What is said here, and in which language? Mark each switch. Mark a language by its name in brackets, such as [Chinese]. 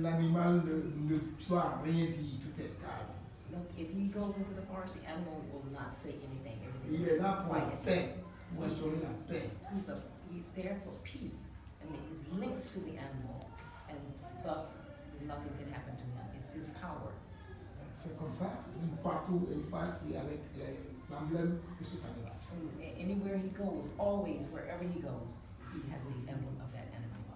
[French] l'animal ne doit rien dire, tout est calme. [English] Look, if he goes into the forest, the animal will not say anything. [French] Il est là pour la paix, pour restaurer la paix. [English] He's there for peace, and he's linked to the animal, and thus nothing can happen to him. It's his power. [French] C'est comme ça. Partout il passe, il avec l'emblème de cet animal. [English] Anywhere he goes, always, wherever he goes, he has the emblem of that animal.